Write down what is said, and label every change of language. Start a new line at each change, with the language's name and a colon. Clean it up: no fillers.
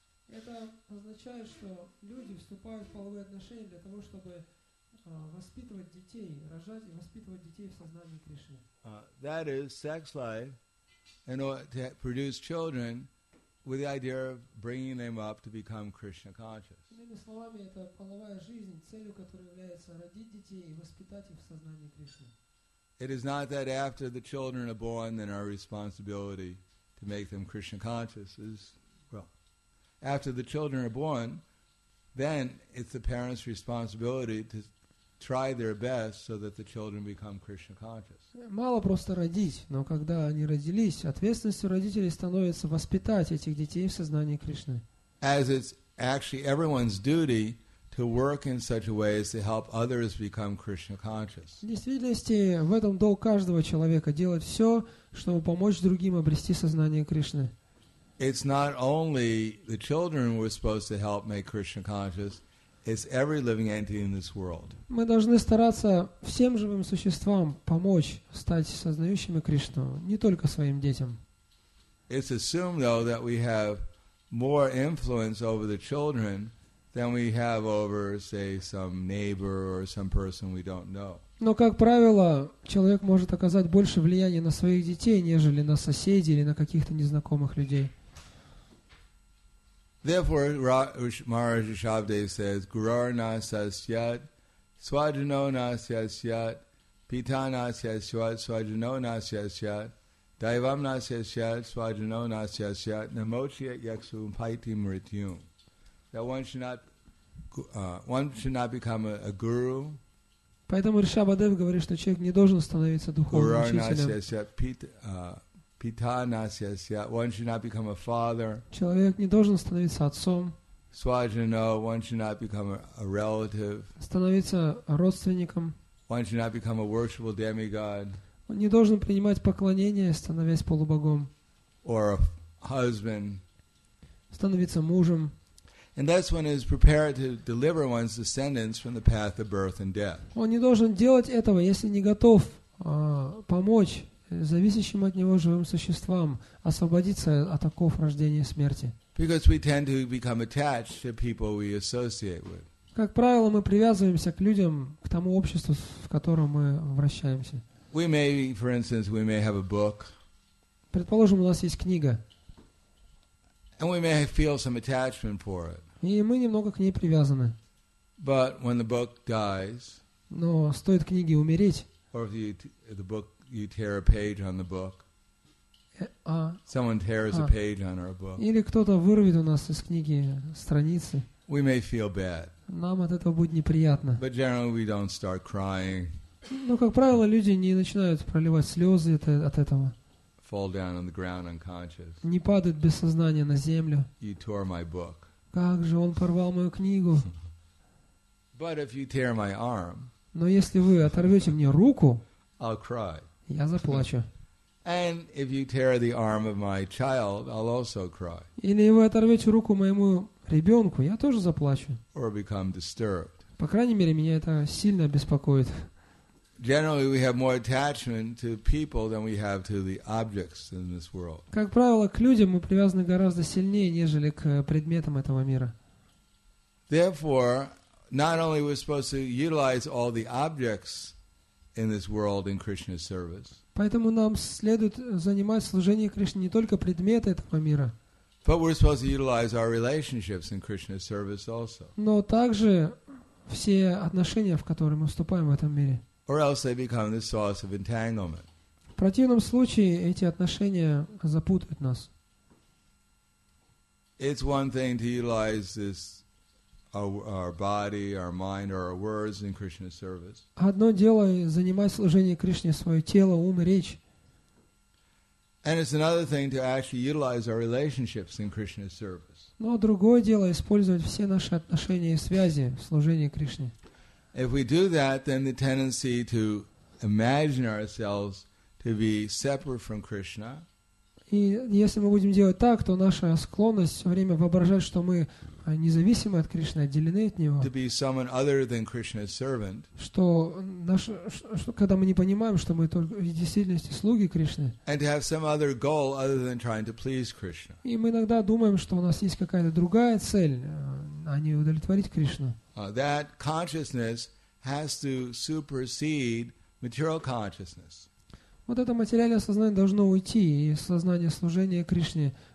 Russian: Это означает, что люди вступают в половые отношения для того, чтобы воспитывать детей, рожать и воспитывать детей в сознании Кришны.
English: That is sex life in order to produce children with the idea of bringing them up to become Krishna conscious.
Russian: Иными словами, это половая жизнь, целью которой является родить детей и воспитать их в сознании Кришны.
English: It is not that after the children are born, then our responsibility to make them Krishna conscious is, well, after the children are born, then it's the parents' responsibility to try their best so that the children become Krishna conscious.
Russian: Мало просто родить, но когда они родились, ответственностью родителей становится воспитать этих детей в сознании Кришны.
English: As it's actually everyone's duty to work in such a way as to help others become Krishna conscious.
Russian: В действительности, в этом долг каждого человека делать все, чтобы помочь другим обрести сознание Кришны.
English: It's not only the children we're supposed to help make Krishna conscious, it's every living entity in this world.
Russian: Мы должны стараться всем живым существам помочь стать сознающими Кришну, не только своим детям.
English: It's assumed, though, that we have more influence over the children than we have over, say, some neighbor or some person we don't know.
Russian: Но, как правило, человек может оказать больше влияния на своих детей, нежели на соседей или на каких-то незнакомых людей.
English: Therefore, Maharaj Rishabhdev says,
Sanskrit: Gurur na sasyat, swajano na sasyat, pita na sasyat, swajano na sasyat, daivam na sasyat, swajano na sasyat, namochiyat yaksu paiti mrityum.
English: That one should not become a guru.
Russian: Поэтому Ришабадев говорит, что человек не должен становиться духовным учителем.
Sanskrit: Pita nasyasyat.
English: One should not become a father.
Russian: Человек не должен становиться отцом.
English: Swajano. One should not become a relative.
Russian: Становиться родственником.
English: One should not become a worshipful demigod.
Russian: Он не должен принимать поклонение, становясь полубогом.
English: Or a husband.
Russian: Становиться мужем.
English: And that's when he is prepared to deliver one's descendants from the path of birth and death.
Russian: Он не должен делать этого, если не готов помочь зависящим от него живым существам освободиться от оков рождения и смерти.
English: Because we tend to become attached to people we associate with.
Russian: Как правило, мы привязываемся к людям, к тому обществу, в котором мы вращаемся.
English: We may, for instance, we may have a book.
Russian: Предположим, у нас есть книга.
English: And we may feel some attachment for it.
Russian: И мы немного к ней привязаны.
English: But when the book dies,
Russian: но стоит книге умереть,
English: or if the book, you tear a page on the book, someone tears a page on our book,
Russian: или кто-то вырвет у нас из книги страницы,
English: we may feel bad.
Russian: Нам от этого будет неприятно.
English: But generally we don't start crying.
Russian: Но, как правило, люди не начинают проливать слезы от этого.
English: Fall down on the ground unconscious.
Russian: Не падает без сознания на землю.
English: You tore my book.
Russian: Как же он порвал мою книгу?
English: But if you tear my arm,
Russian: но если вы оторвете мне руку,
English: I'll cry.
Russian: Я заплачу.
English: And if you tear the arm of my child, I'll also cry.
Russian: Или вы оторвете руку моему ребенку, я тоже заплачу.
English: Or become disturbed.
Russian: По крайней мере, меня это сильно беспокоит.
English: Generally, we have more attachment to people than we have to the objects in this world.
Russian: Как правило, к людям мы привязаны гораздо сильнее, нежели к предметам этого мира.
English: Therefore, not only we're supposed to utilize all the objects in this world in Krishna's service.
Russian: Поэтому нам следует занимать служение Кришне не только предметы этого мира.
English: But we're supposed to utilize our relationships in Krishna's service also.
Russian: Но также все отношения, в которые мы вступаем в этом мире.
English: Or else they become the source of entanglement.
Russian: В противном случае эти отношения запутают нас.
English: It's one thing to utilize this our body, our mind, or our words in Krishna's service.
Russian: Одно дело занимать служение Кришне свое тело, ум и речь.
English: And it's another thing to actually utilize our relationships in Krishna's service.
Russian: Но другое дело использовать все наши отношения и связи в служении Кришне.
English: If we do that, then the tendency to imagine ourselves to be separate from Krishna.
Russian: И если мы будем делать так, то наша склонность все время воображать, что мы независимы от Кришны, отделены от Него.
English: To be someone other than Krishna's servant.
Russian: Что когда мы не понимаем, что мы только в действительности слуги Кришны.
English: And to have some other goal other than trying to please Krishna.
Russian: И мы иногда думаем, что у нас есть какая-то другая цель, а не удовлетворить Кришну.
English: That consciousness has to supersede material consciousness.
Russian: Вот это материальное сознание должно уйти, и сознание служения Кришне